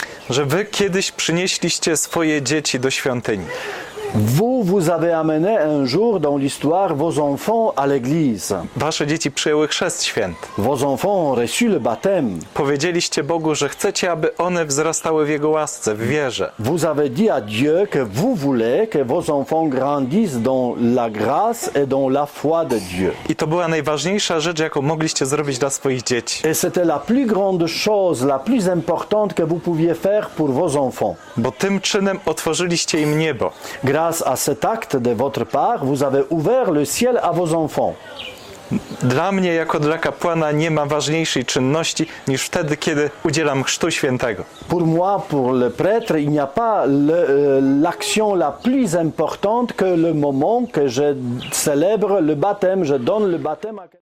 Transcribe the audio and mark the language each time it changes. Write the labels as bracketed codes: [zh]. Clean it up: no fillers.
[pl] Że wy kiedyś przynieśliście swoje dzieci do świątyni. [fr] Vous, vous avez amené un jour dans l'histoire vos enfants à l'église. [pl] Wasze dzieci przyjęły chrzest święty. [fr] Vos enfants ont reçu le baptême. [pl] Powiedzieliście Bogu, że chcecie, aby one wzrastały w Jego łasce, w wierze. [fr] Vous avez dit à Dieu que vous voulez que vos enfants grandissent dans la grâce et dans la foi de Dieu. [pl] I to była najważniejsza rzecz, jaką mogliście zrobić dla swoich dzieci. [fr] Et c'était la plus grande chose, la plus importante que vous pouviez faire pour vos enfants. [pl] Bo tym czynem otworzyliście im niebo. [fr] Grâce à cet acte de votre part, vous avez ouvert le ciel à vos enfants. [pl] Dla mnie jako dla kapłana nie ma ważniejszej czynności niż wtedy, kiedy udzielam chrztu świętego. [fr] Pour moi, pour le prêtre, il n'y a pas l'action la plus importante que le moment que je célèbre le baptême, je donne le baptême à